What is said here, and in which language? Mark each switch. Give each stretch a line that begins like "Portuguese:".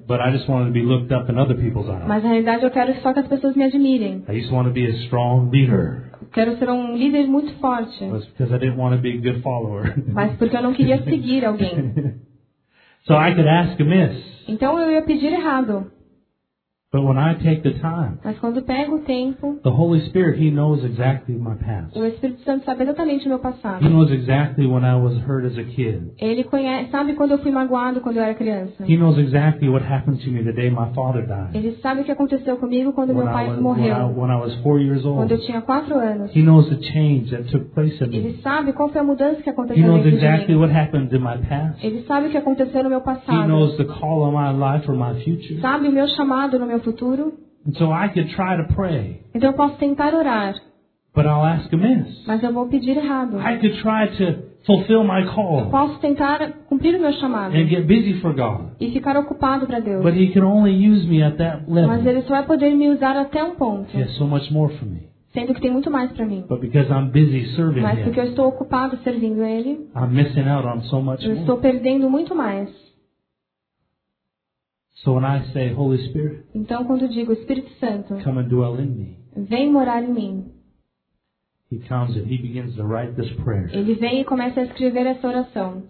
English: But I just wanted to be looked up in other people's eyes.
Portuguese: Mas na realidade eu quero só que as pessoas me admirem.
English: I just want to be a strong leader.
Portuguese: Quero ser um líder muito forte.
English: Was because I didn't want to be a good follower.
Portuguese: Mas porque eu não queria seguir alguém.
English: So I could ask amiss.
Portuguese: Então eu ia pedir errado.
English: But when I take the time,
Portuguese: mas quando eu pego o tempo,
English: the Holy Spirit, he knows exactly my past.
Portuguese: O Espírito Santo sabe exatamente o meu passado.
English: He knows exactly when I was hurt as a kid.
Portuguese: Ele conhece, sabe quando eu fui magoado quando eu era criança.
English: He knows exactly what happened to me the day my father died.
Portuguese: Ele sabe o que aconteceu comigo quando
English: when
Portuguese: meu pai
English: I was,
Portuguese: morreu.
English: When I was 4 years old.
Portuguese: Quando eu tinha 4 anos.
English: He knows the change that took place in me.
Portuguese: Ele sabe qual foi a mudança que aconteceu
English: He knows exactly what happened in my past.
Portuguese: Ele sabe o que aconteceu no meu passado.
English: He knows the call on my life or my future.
Portuguese: Sabe o meu chamado no meu futuro.
English: And so I could try to pray.
Portuguese: Então eu posso tentar orar.
English: But I'll ask amiss.
Portuguese: Mas eu vou pedir errado.
English: I could try to fulfill my call.
Portuguese: Eu posso tentar cumprir o meu chamado.
English: And get busy for God.
Portuguese: E ficar ocupado para Deus.
English: But he can only use me at that level.
Portuguese: Mas ele só vai poder me usar até um ponto.
English: He has so much more for me.
Portuguese: Sendo que tem muito mais para mim.
English: But because I'm busy serving
Portuguese: Mas porque
English: him,
Portuguese: eu estou ocupado servindo ele.
English: I'm missing out on so much
Portuguese: eu
English: more.
Portuguese: Estou perdendo muito mais.
English: So when I say Holy Spirit,
Portuguese: então quando eu digo Espírito Santo,
English: come and dwell in me,
Portuguese: vem morar em mim.
English: He comes and he begins to write this prayer.
Portuguese: Ele vem e começa a escrever essa oração.